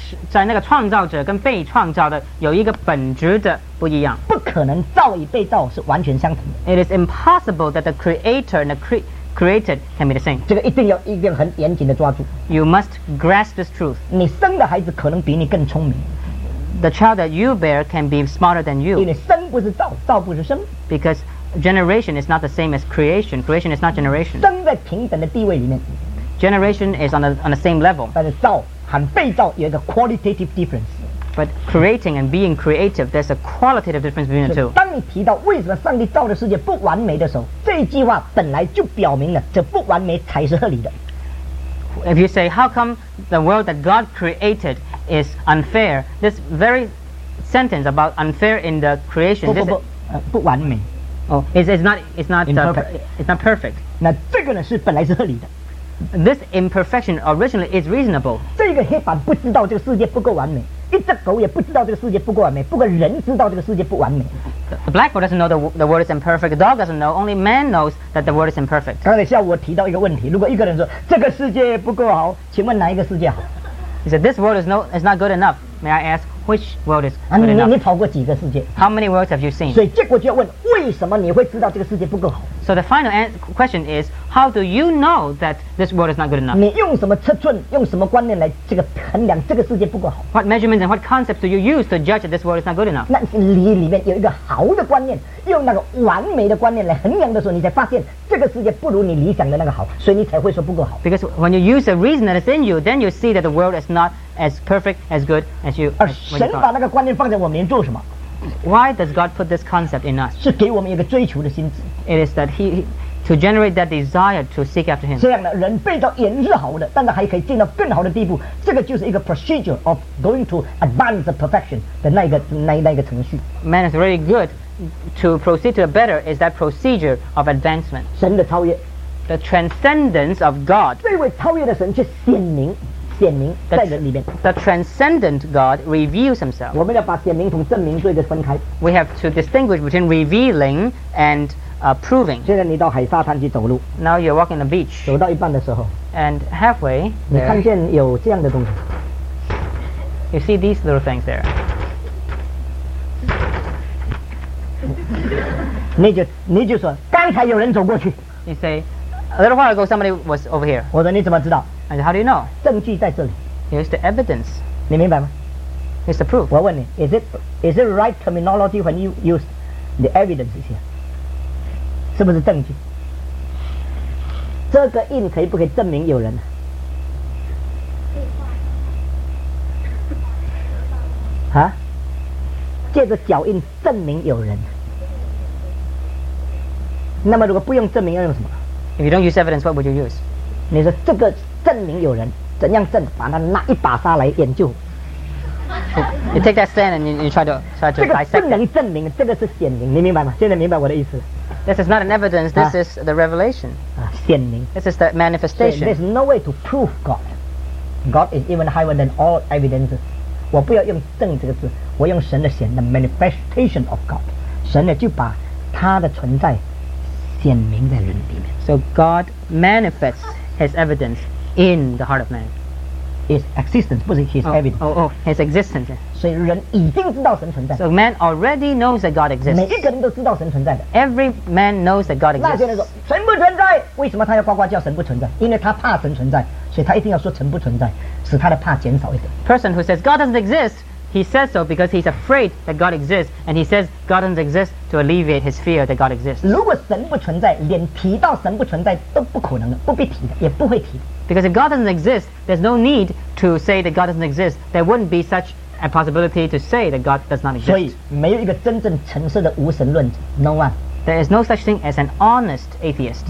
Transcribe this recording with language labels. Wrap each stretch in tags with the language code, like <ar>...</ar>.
<zh>在那个创造者跟被创造的有一个本质的不一样。不可能造与被造是完全相同的。</zh> <en>It is impossible that the creator and the created can be the same.</en> <zh>这个一定要很严谨的抓住。</zh> <en>You must grasp this truth.</en> <zh>你生的孩子可能比你更聪明。</zh> <en>The child that you bear can be smarter than you.</en> <zh>因为生不是造，造不是生。</zh> <en>Because generation is not the same as creation. Creation is not generation.</en> <zh>生在平等的地位里面。</zh> <en>Generation is on the same level.</en> <zh>但是造和被造有一个</zh> <en>qualitative difference. But creating and being creative, there's a qualitative difference between the two.</en> <zh>当你提到为什么上帝造的世界不完美的时候，这一句话本来就表明了这不完美才是合理的。</zh> <en>If you say, how come the world that God created is unfair? This very sentence about unfair in the creation, it's not perfect.</en> <zh>那这个呢是本来是合理的。</zh> <en>This imperfection originally is reasonable.</en> <zh>这个黑板不知道这个世界不够完美，一只狗也不知道这个世界不够完美，不过人知道这个世界不完美。</zh> <en>The blackboard doesn't know the world is imperfect. The dog doesn't know. Only man knows that the world is imperfect.</en> <zh>刚才下午我提到一个问题，如果一个人说这个世界不够好，请问哪一个世界好？</zh> <en>He said, this world is not good enough. May I ask, which world is good enough?</en> <zh>你跑过几个世界?</zh> <en>How many worlds have you seen?</en> <zh>所以结果就要问, 为什么你会知道这个世界不够好?</zh> <en>So the final question is, how do you know that this world is not good enough?</en> <zh>你用什么尺寸，用什么观念来这个衡量这个世界不够好？</zh> <en>What measurements and what concepts do you use to judge that this world is not good enough?</en> <zh>那是你里面有一个好的观念，用那个完美的观念来衡量的时候，你才发现这个世界不如你理想的那个好，所以你才会说不够好。</zh> <en>Because when you use the reason that is in you, then you see that the world is not as perfect, as good as you.</en> <zh>而神把那个观念放在我们里面做什么？</zh> <en>Why does God put this concept in us?</en> <zh>是给我们一个追求的心智。</zh> <en>It is that He to generate that desire to seek after Him.</en> <zh>这样的人被造也是好的，但是还可以进到更好的地步。这个就是一个</zh> <en>procedure of going to advance the perfection</en> <zh>的那一个程序。</zh> <en>Man is really good to proceed to a better is that procedure of advancement.</en> <zh>神的超越</zh> <en>，the transcendence of God.</en> <zh>这位超越的神却显明在人里面。</zh> <en>The transcendent God reveals himself.</en> <zh>我们要把显明同证明做一个分开。</zh> <en>We have to distinguish between revealing and proving.</en> <zh>现在你到海沙滩去走路。</zh> <en>Now you're walking the beach.</en> <zh>走到一半的时候。</zh> <en>And halfway,</en> <zh>你看见有这样的东西。</zh> <en>You see these little things there.</en> <zh>你就说，刚才有人走过去。</zh> <en>You say, a little while ago somebody was over here.</en> <zh>我说你怎么知道？</zh> <en>And how do you know?</en> <zh>证据在这里。</zh> <en>Here's the evidence.</en> <zh>你明白吗？</zh> <en>Here's the proof.</en> <zh>我问你，</zh> <en>is it right terminology when you use the evidence here?</en> <zh>是不是证据？这个印可以不可以证明有人？啊？借着脚印证明有人。那么如果不用证明，要用什么？</zh> <en>If you don't use evidence, what would you use?</en> <zh>你说这个。证明有人怎样证？把他那一把沙来研究。</zh> <en>You take that stand and you try to dissect it.</en> <zh>这个不能证明，这个是显明，你明白吗？现在明白我的意思。</zh> <en>This is not an evidence. This is the revelation.</en> <zh>显明。</zh> <en>This is the manifestation. There's no way to prove God. God is even higher than all evidences.</en> <zh>我不要用证这个字，我用神的显 ，</zh> <en>the manifestation of God.</en> <zh>神呢就把他的存在显明在人里面。</zh> <en>So God manifests His evidence. In the heart of man, his existence,</en> <zh>不是</zh> <en>his evidence. Oh, his existence.</en> <zh>所以人已经知道神存在。</zh> <en>So man already knows that God exists.</en> <zh>每一个人都知道神存在的。</zh> <en>Every man knows that God exists.</en> <zh>那些人说神不存在，为什么他要呱呱叫神不存在？因为他怕神存在，所以他一定要说神不存在，使他的怕减少一点。</zh> <en>Person who says God doesn't exist, he says so because he's afraid that God exists, and he says God doesn't exist to alleviate his fear that God exists.</en> <zh>如果神不存在，连提到神不存在都不可能的，不必提的，也不会提的。</zh> <en>Because if God doesn't exist, there's no need to say that God doesn't exist. There wouldn't be such a possibility to say that God does not exist.</en> <zh>所以没有一个真正诚实的无神论者 ，</zh> <en>no one. There is no such thing as an honest atheist.</en>